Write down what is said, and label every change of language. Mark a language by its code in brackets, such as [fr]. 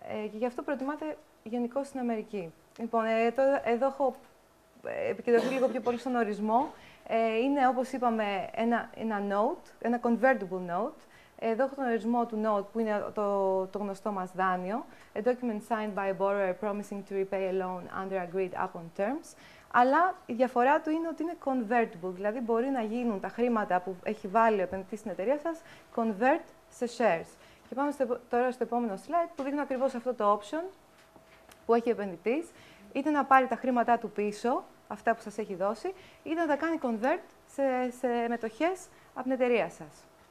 [el] Και γι' αυτό προτιμάται γενικώς στην Αμερική. Λοιπόν, εδώ έχω επικεντρωθεί λίγο πιο πολύ στον ορισμό. Είναι, όπως είπαμε, ένα note, ένα convertible note. Εδώ έχω τον ορισμό του note, που είναι το γνωστό μας δάνειο. [en] A document signed by a borrower promising to repay a loan under agreed upon terms. [el] Αλλά η διαφορά του είναι ότι είναι convertible, δηλαδή μπορεί να γίνουν τα χρήματα που έχει βάλει ο επενδυτής στην εταιρεία σας, convert σε shares. Και πάμε τώρα στο επόμενο slide, που δείχνει ακριβώς αυτό το option που έχει ο επενδυτής. Είτε να πάρει τα χρήματά του πίσω, αυτά που σας έχει δώσει, είτε να τα κάνει convert σε μετοχές από την εταιρεία σας.